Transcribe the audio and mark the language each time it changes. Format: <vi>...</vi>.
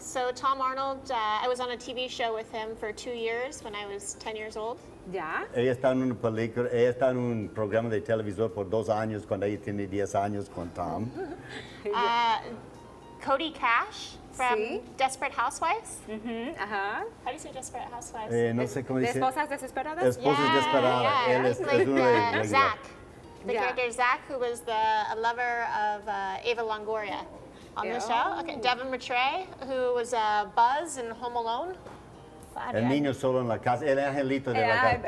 <en>So Tom Arnold, I was on a TV show with him for 2 years when I was 10 years old.</en> <es>Ya. Ella está en una película, ella está en un programa de televisión por 2 años cuando ella tiene 10 años con Tom.</es> <en>Cody Cash from Desperate Housewives. Mm-hmm. How do you say Desperate Housewives?</en> <es>No sé cómo dice. Esposas desesperadas. Esposas desesperadas. Yeah. Él es Zach.</es> <en>The character Zach, who was the a lover of Eva Longoria. On the show, okay. Devin Matrey, who was Buzz in Home Alone.</en> <es>El niño solo en la casa, el angelito de la casa.</es>